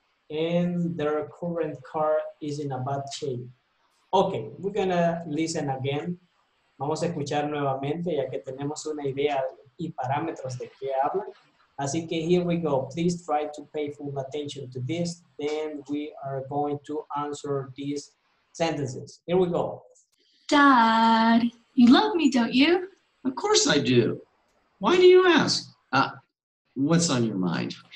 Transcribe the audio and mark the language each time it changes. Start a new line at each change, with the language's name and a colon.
English: And their current car is in a bad shape. Okay, we're gonna listen again.
Spanish: Vamos a escuchar nuevamente ya que tenemos una idea y parámetros de qué hablan. Así que
English: here we go. Please try to pay full attention to this. Then we are going to answer these sentences. Here we go. Dad, you love me, don't you? Of course I do. Why do you ask? What's on your mind?